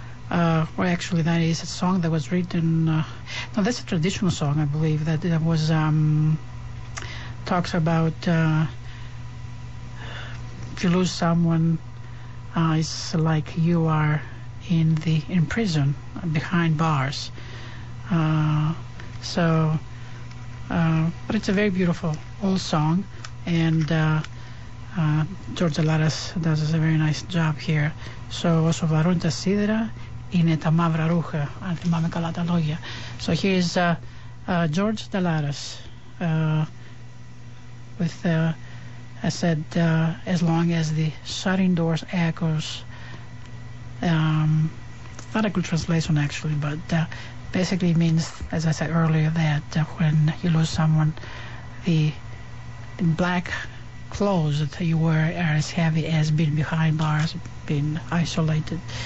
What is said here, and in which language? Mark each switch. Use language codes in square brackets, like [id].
[en] Well, actually, that is a song that was written. No, that's a traditional song, I believe, that was talks about if you lose someone, it's like you are in prison behind bars. But it's a very beautiful old song, and George Dalaras does a very nice job here. So, Oso Varun Ta Sidera. [el] Είναι τα μαύρα ρούχα, αν θυμάμαι καλά τα λόγια. [en] So here is George Dalaras with, I said, as long as the shutting doors echoes. Not a good translation, actually, but basically means, as I said earlier, that when you lose someone, the black clothes that you wear are as heavy as being behind bars, being isolated.